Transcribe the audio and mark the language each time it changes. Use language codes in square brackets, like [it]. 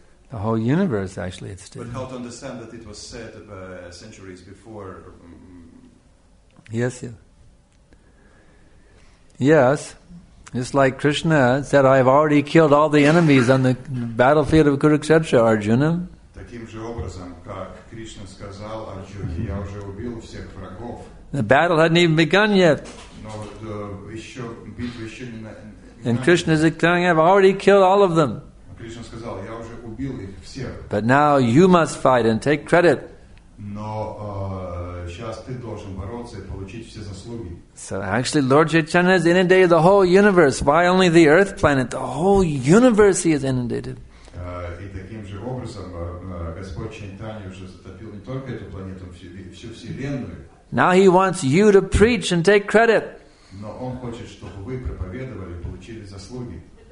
[en] The whole universe, actually, it's different. But how to understand that it was said centuries before? Yes, yeah. Yes, it's like Krishna said, I have already killed all the enemies on the battlefield of Kurukshetra, Arjuna. [ru] Таким же образом, как Кришна сказал Арджуне, я уже убил всех врагов. [en] The battle hadn't even begun yet. [ru] Но еще битва еще не [en] And Krishna is declaring, I've already killed all of them. [ru] Кришна сказал, я уже убил их всех. [en] But now you must fight and take credit. [ru] Но сейчас ты должен бороться и получить все заслуги. [en] So actually, Lord Chaitanya has inundated the whole universe. Why only the Earth planet? The whole universe he has inundated. [ru] И таким же образом Господь Чайтанья уже затопил не только эту планету, всю Вселенную. [en] Now he wants you to preach and take credit. [ru] Но он хочет, чтобы вы проповедовали и получили заслуги.